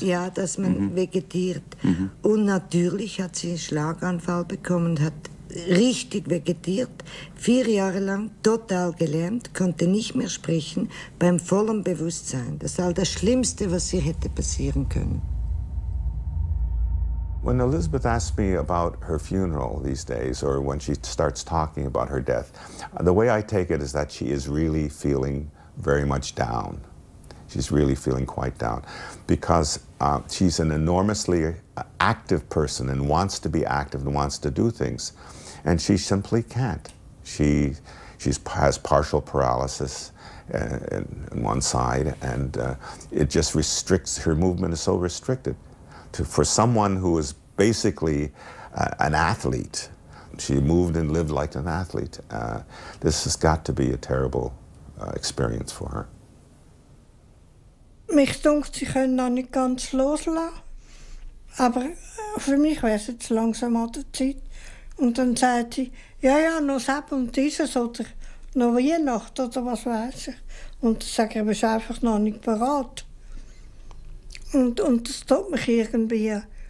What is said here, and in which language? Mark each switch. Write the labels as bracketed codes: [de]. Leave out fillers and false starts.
[de] Ja, dass man vegetiert. Mhm. Und natürlich hat sie einen Schlaganfall bekommen und hat richtig vegetiert. 4 Jahre lang total gelähmt, konnte nicht mehr sprechen, beim vollen Bewusstsein. Das war das Schlimmste, was ihr hätte passieren können. [en] When Elisabeth asks me about her funeral these days, or when she starts talking about her death, the way I take it is that she is really feeling very much down. She's really feeling quite down because she's an enormously active person and wants to be active and wants to do things, and she simply can't. She has partial paralysis in one side, and it just restricts her movement. Is so restricted for someone who is basically an athlete. She moved and lived like an athlete. This has got to be a terrible experience for her. [de] Mich dunkt, sie können noch nicht ganz loslassen. Aber für mich wäre es jetzt langsam an der Zeit. Und dann sagt sie, ja, noch Sepp und dieses oder noch Weihnachten oder was weiß ich. Und dann sage ich, aber ist einfach noch nicht bereit. Und das tut mich irgendwie.